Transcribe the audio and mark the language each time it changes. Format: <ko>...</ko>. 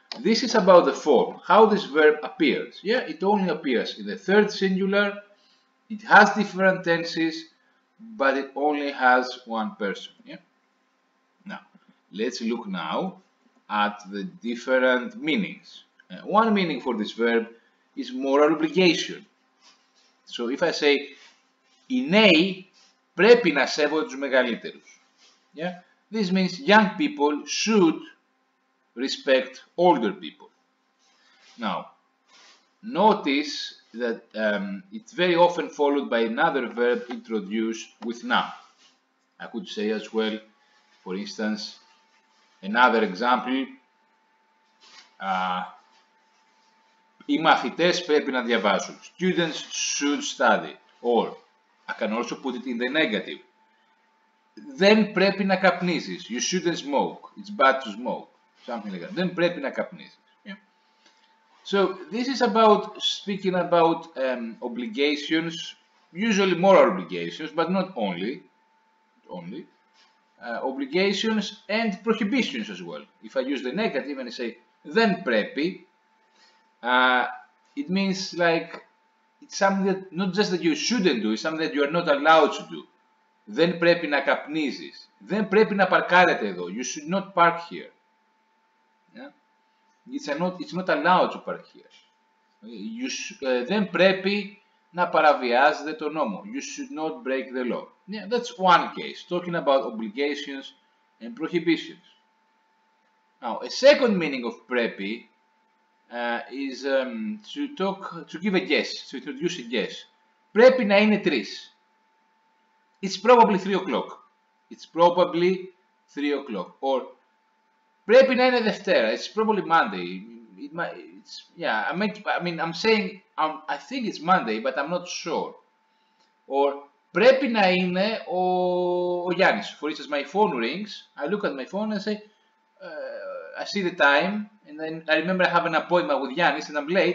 <en>This is about the form, how this verb appears. Yeah, it only appears in the third singular. It has different tenses, but it only has one person. Yeah. Now, let's look now at the different meanings. One meaning for this verb is moral obligation.</en> <el>So, if I say ἐναι πρέπει να σέβω τους μεγαλύτερους.</el> <en>Yeah? This means young people should respect older people. Now, notice that it's very often followed by another verb introduced with να. I could say as well, for instance, another example.</en> <el>Οι μαθητές πρέπει να διαβάσουν.</el> <en>Students should study. Or, I can also put it in the negative.</en> <el>Δεν πρέπει να καπνίζεις.</el> <en>You shouldn't smoke. It's bad to smoke. Something like that.</en> <el>Δεν πρέπει να καπνίζεις.</el> <en>So, this is about speaking about obligations, usually moral obligations, but not only. Obligations and prohibitions as well. If I use the negative and I say</en> <el>δεν πρέπει,</el> <en>it means like it's something that not just that you shouldn't do, it's something that you are not allowed to do.</en> <el>Δεν πρέπει να καπνίζεις. Δεν πρέπει να παρκάρετε εδώ.</el> <en>You should not park here. Yeah? It's not allowed to park here.</en> <el>Δεν πρέπει να παραβιάζετε τον νόμο.</el> <en>You should not break the law. Yeah, that's one case, talking about obligations and prohibitions. Now, a second meaning of πρέπει is to give a guess, to introduce a guess.</en> <el>Πρέπει να είναι τρεις.</el> <en>It's probably 3 o'clock. It's probably 3 o'clock.</en> <el>Or, πρέπει να είναι Δευτέρα.</el> <en>It's probably Monday. I think it's Monday, but I'm not sure.</en> <el>Or, πρέπει να είναι ο Γιάννης.</el> <en>For instance, my phone rings. I look at my phone and say, I see the time. And then I remember I have an appointment with Yannis and I'm late.</en>